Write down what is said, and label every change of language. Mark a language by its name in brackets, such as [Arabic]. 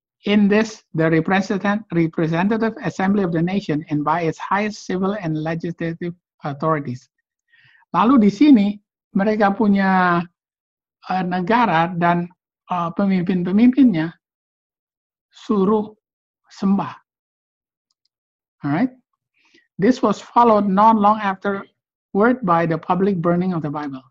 [English] In this, the representative assembly of the nation and by its highest civil and legislative authorities. [Indonesian] Lalu di sini mereka punya negara dan pemimpin-pemimpinnya suruh sembah. [English] All right. This was followed not long afterward by the public burning of the Bible.